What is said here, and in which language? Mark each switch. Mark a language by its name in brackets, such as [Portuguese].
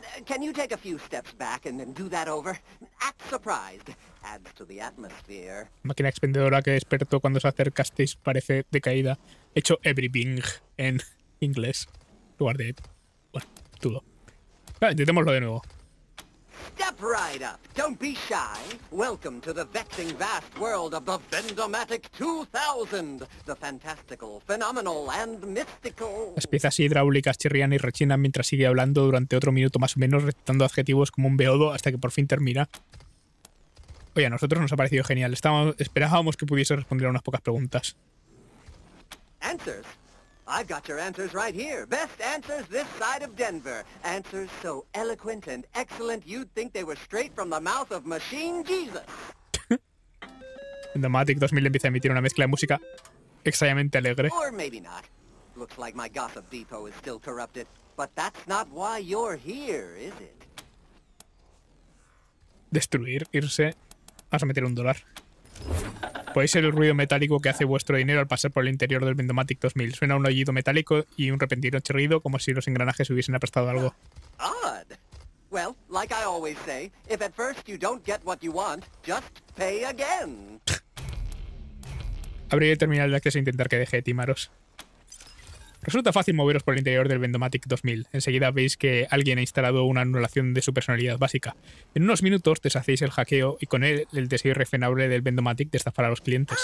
[English] Can you take a few steps back and then do that over? Act surprised. Adds to the atmosphere. [Spanish] Máquina expendedora que despertó cuando se acercasteis parece decaída. Hecho everything en inglés. En lugar de... Bueno, todo. Vale, intentémoslo de nuevo. [English] Step right up. Don't be shy. Welcome to the vexing vast world of the Vendomatic 2000. The fantastical, phenomenal and mystical. [Spanish] Las piezas hidráulicas chirrían y rechinan mientras sigue hablando durante otro minuto más o menos, recitando adjetivos como un beodo hasta que por fin termina. Oye, a nosotros nos ha parecido genial. Esperábamos que pudiese responder a unas pocas preguntas. [English] Answers. I've got your answers right here. Best answers this side of Denver. Answers so eloquent and excellent you'd think they were straight from the mouth of Machine Jesus. [Spanish] Endomatic 2000 empieza a emitir una mezcla de música extrañamente alegre. [English] Or maybe not. Looks like my gossip depot is still corrupted. But that's not why you're here, is it? [Spanish] Destruir, irse. Vamos a meter un dólar. Podéis ser el ruido metálico que hace vuestro dinero al pasar por el interior del Vendomatic 2000. Suena un aullido metálico y un repentino chirrido, como si los engranajes hubiesen aprestado algo. [English] Odd. Well, like I always say, if at first you don't get what you want, just pay again. [Spanish] Abrir el terminal de acceso e intentar que deje de timaros. Resulta fácil moveros por el interior del Vendomatic 2000. Enseguida veis que alguien ha instalado una anulación de su personalidad básica. En unos minutos deshacéis el hackeo y con él el deseo irrefrenable del Vendomatic de estafar a los clientes.